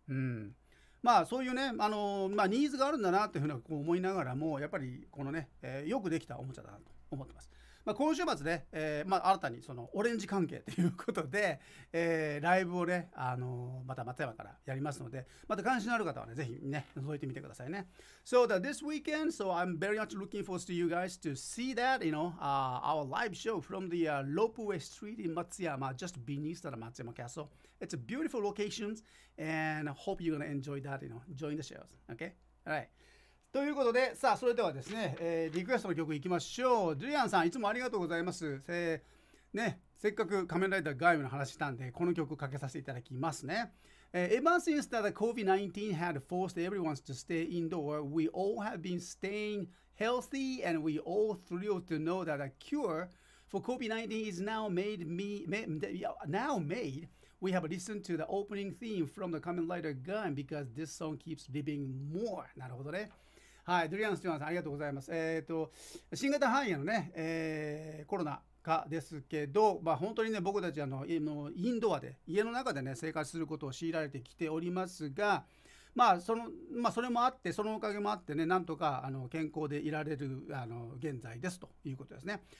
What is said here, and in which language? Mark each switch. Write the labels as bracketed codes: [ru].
[ja] うん、まあそういうねまあ、ニーズがあるんだなっていうふうに思いながらも、やっぱりこのね、よくできたおもちゃだなと思ってます。まあ、今週末ね、まあ、新たにそのオレンジ関係ということで、ライブをね、また松山からやりますので、また関心のある方はね、ぜひね、覗いてみてくださいね。 [en] So that this weekend, so I'm very much looking forward to you guys to see that, you know,our live show from the Ropeway Street in Matsuyama, just beneath the Matsuyama Castle. It's a beautiful location, and I hope you're going to enjoy that, you know, join the shows, okay? All right. [ja] ということで、さあ、それではですね、リクエストの曲いきましょう。ジュリアンさん、いつもありがとうございます。ね、せっかく仮面ライダーガイムの話したんで、この曲をかけさせていただきますね。 [en] Ever since that COVID-19 had forced everyone to stay indoor, we all have been staying healthy and we all thrilled to know that a cure for COVID-19 is now made. We have listened to the opening theme from the 仮面ライダーガイム because this song keeps living more. [ja] なるほどね。はい、ドリアン・スティワンさんありがとうございます。新型肺炎のね、コロナ禍ですけど、まあ、本当にね僕たちインドアで家の中でね生活することを強いられてきておりますが、まあそれもあってそのおかげもあってね、なんとか健康でいられる現在ですということですね。